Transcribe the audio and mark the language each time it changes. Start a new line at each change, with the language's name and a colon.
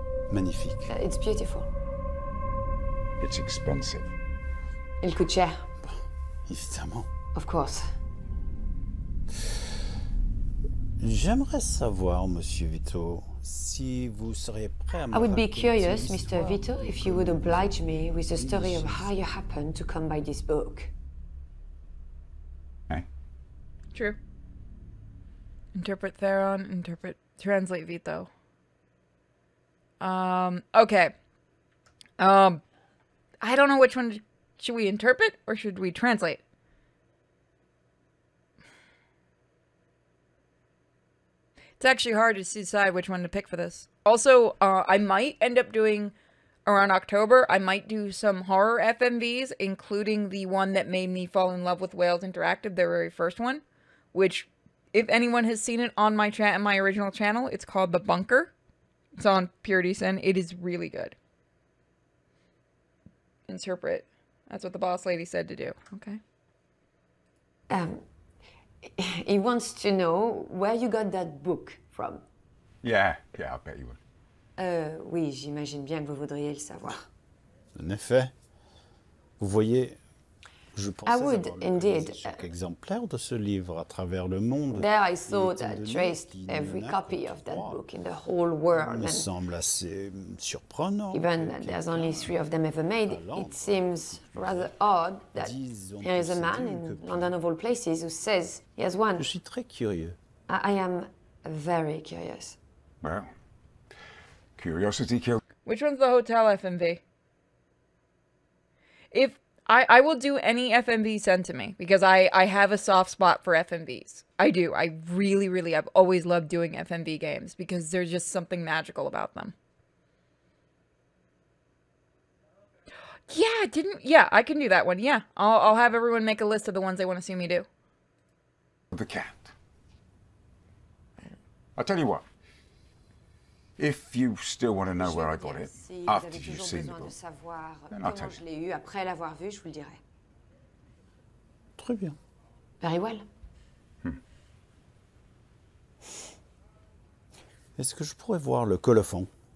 French: Magnifique.
English: It's beautiful. It's expensive.
French: Il coûte cher. Évidemment.
English: Of course.
French: J'aimerais savoir, Monsieur Vito, si vous seriez prêt à me
English: I would be curious, Mr. Vito, if you would oblige me with the story of how you happened to come by this book. Hey. True. Interpret Theron, interpret, translate Vito. Okay. I don't know which one, should we interpret or should we translate? It's actually hard to decide which one to pick for this. Also, I might end up doing, around October, I might do some horror FMVs, including the one that made me fall in love with Wales Interactive, their very first one, which, if anyone has seen it on my chat and my original channel, it's called The Bunker. It's on Purity Sin. It is really good. Interpret. That's what the boss lady said to do. Okay. He wants to know where you got that book from. Yeah, I bet you would.
French: Oui, j'imagine bien que vous voudriez le savoir. En effet. Vous voyez, je pensais
English: I would,
French: avoir
English: indeed.
French: Chaque exemplaire de ce livre à travers le monde.
English: There I thought I traced every copy of that book in the whole world.
French: Me semble assez surprenant.
English: Even that there's only three of them ever made, it seems rather odd that there is a man in London of all places who says he has one.
French: Je suis très curieux.
English: I am very curious. Well, curiosity killed. Which one's the hotel FMV? If I will do any FMV sent to me, because I have a soft spot for FMVs. I do. I really, really, I've always loved doing FMV games because there's just something magical about them. Yeah, I can do that one. Yeah, I'll have everyone make a list of the ones they want to see me do. The cat. I'll tell you what. If you still want to know where I got it, after you've seen the book, then I'll tell you.
French: Je l'ai eu après l'avoir vu, je vous le dirai. Très bien.
English: Very well.
French: Est-ce que je pourrais voir le colophon?